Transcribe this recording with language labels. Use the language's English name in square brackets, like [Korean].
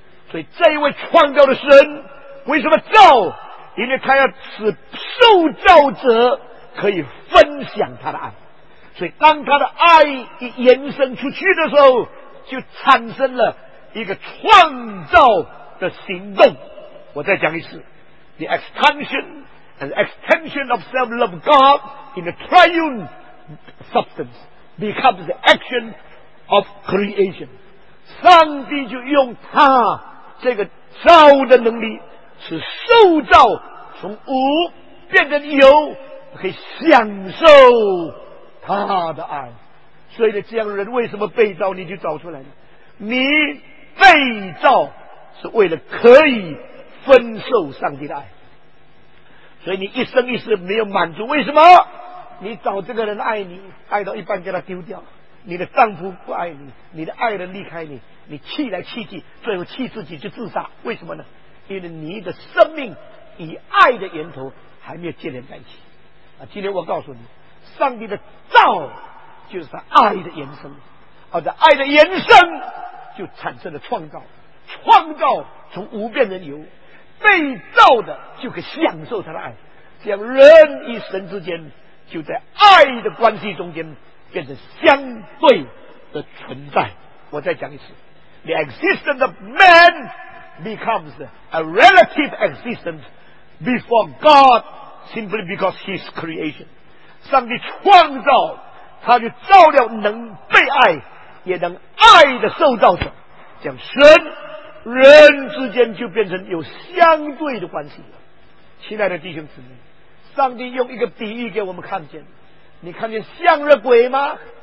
[Chinese] 所以这一位创造的神为什么造？因为他要使受造者可以分享他的爱。所以当他的爱一延伸出去的时候，就产生了一个创造的行动。我再讲一次， [English] The extension and extension of self-love God in the triune substance becomes the action of creation. [Chinese] 上帝就用他这个造的能力是受造从无变成有，可以享受他的爱。所以呢，这样的人为什么被造你就找出来了？你被造是为了可以分受上帝的爱。所以你一生一世没有满足，为什么？你找这个人爱你，爱到一半给他丢掉，你的丈夫不爱你，你的爱人离开你，你气来气去，最后气自己就自杀，为什么呢？因为你的生命以爱的源头还没有建立在一起。啊，今天我告诉你，上帝的造就是爱的延伸，而在爱的延伸就产生了创造，创造从无变成有，被造的就可以享受他的爱，这样人与神之间就在爱的关系中间变成相对的存在。我再讲一次， [English] The existence of man becomes a relative existence before God simply because his creation。 [Chinese] 上帝创造他就造了能被爱也能爱的受造者，讲神人之间就变成有相对的关系了。亲爱的弟兄姊妹，上帝用一个比喻给我们看见，你看见向日葵吗？